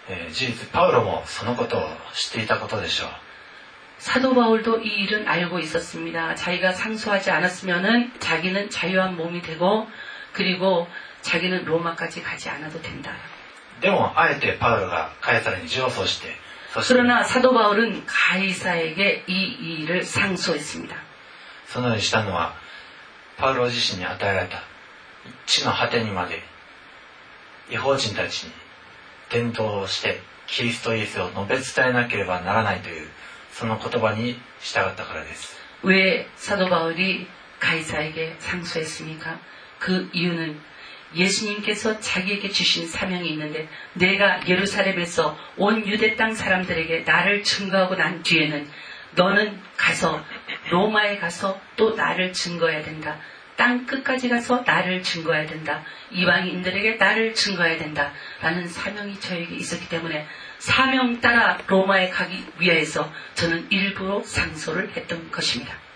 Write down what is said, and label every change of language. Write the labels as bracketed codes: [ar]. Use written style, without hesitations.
[ja] 事実パウロもそのことを知っていたことでしょう。 [ko] 사도바울도이일은알고있었습니다자기가상소하지않았으면은자기는자유한몸이되고그리고자기는로마까지가지않아도된다 [ja] でもあえてパウロがカエサルに上訴して [ko] 그러나사도바울은가이사에게이일을상소했습니다 [ja] そのようにしたのはパウロ自身に与えられた地の果てにまで異邦人たちに伝道をしてキリストイエスを述べ伝えなければならないというその言葉に従ったからです。 [ko] 왜사도바울이가이사에게상소했습니까그이유는예수님께서자기에게주신사명이있는데내가예루살렘에서온유대땅사람들에게나를증거하고난뒤에는너는가서로마에가서또나를증거해야된다땅끝까지가서나를증거해야된다이방인들에게나를증거해야된다라는사명이저에게있었기때문에사명따라로마에가기위해서저는일부러상소를했던것입니다